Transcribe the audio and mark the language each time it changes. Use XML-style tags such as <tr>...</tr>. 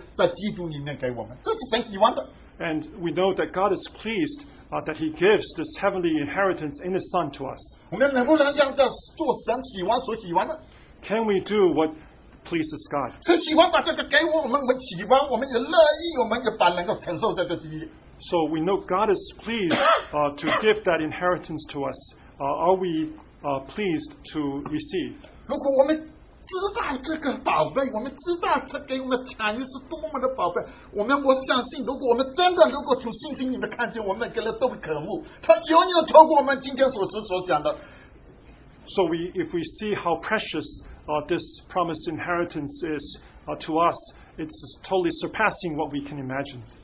<zh>神说很喜欢，很喜悦，在这个旨意里把儿子的名分传给你，也就是说神也喜欢天上的基业产业在基督里面给我们，这是神喜欢的。</zh> <en>And we know that God is pleased that He gives this heavenly inheritance in His Son to us. Can we do what pleases God? So we know God is pleased to give that inheritance to us. Are we pleased to receive?</en> <zh>知道这个宝贝，我们知道他给我们产业是多么的宝贝。我们我相信，如果我们真的如果从信心里面看见，我们每个人都渴慕，他远远超过我们今天所知所想的。</zh> <en>So if we see how precious this promised inheritance is to us, it's totally surpassing what we can imagine.</en>